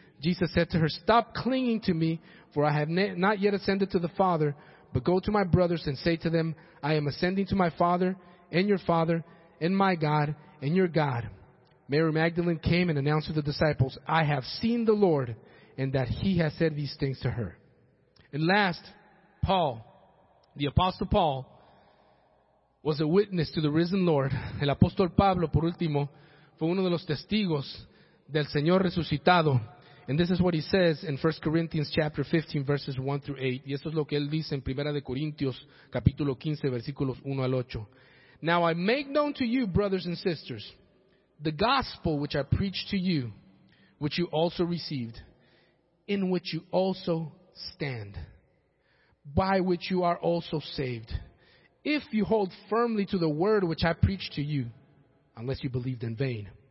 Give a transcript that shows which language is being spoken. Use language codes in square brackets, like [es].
[en] Jesus said to her, "Stop clinging to me, for I have not yet ascended to the Father, but go to my brothers and say to them, I am ascending to my Father and your Father and my God and your God." Mary Magdalene came and announced to the disciples, "I have seen the Lord," and that he has said these things to her. And last, Paul, the Apostle Paul, was a witness to the risen Lord. [es] El Apóstol Pablo, por último, fue uno de los testigos del Señor resucitado. [en] And this is what he says in 1 Corinthians chapter 15, verses 1 through 8. [es] Y eso es lo que él dice en 1 Corintios, capítulo 15, versículos 1 al 8. [en] "Now I make known to you, brothers and sisters, the gospel which I preached to you, which you also received, in which you also stand, by which you are also saved, if you hold firmly to the word which I preached to you, unless you believed in vain.